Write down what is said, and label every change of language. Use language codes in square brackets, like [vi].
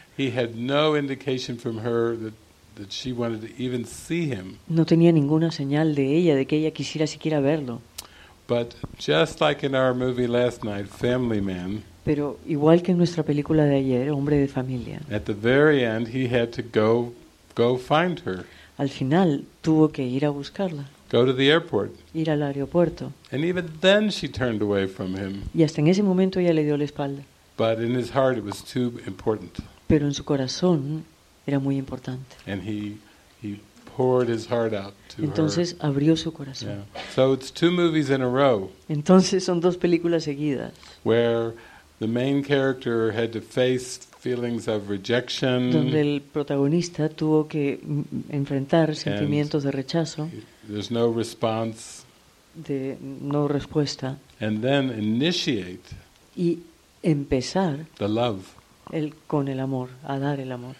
[en] He had no indication from her that she wanted to even see him. [es] No tenía ninguna señal de ella de que ella quisiera siquiera verlo. [en] But just like in our movie last night, Family Man. [es] Pero igual que en nuestra película de ayer, Hombre de Familia. [en] At the very end, he had to go find her. [es] Al final, tuvo que ir a buscarla. [en] Go to the airport. [es] Ir al aeropuerto. [en] And even then, she turned away from him. [es] Y hasta en ese momento ella le dio la espalda. [en] But in his heart, it was too important. [es] Pero en su corazón era muy importante. [en] And he poured his heart out to [es] Entonces, [en] her. [es] Abrió su corazón. [en] Yeah. So it's two movies in a row. [es] Entonces son dos películas seguidas. [en] Where the main character had to face feelings of rejection. [es] Donde el protagonista tuvo que enfrentar sentimientos de rechazo. [en] There's no response. [es] De no respuesta. [en] And then initiate. [es] Y empezar. [en] The love. [es] El, con el amor, a dar el amor.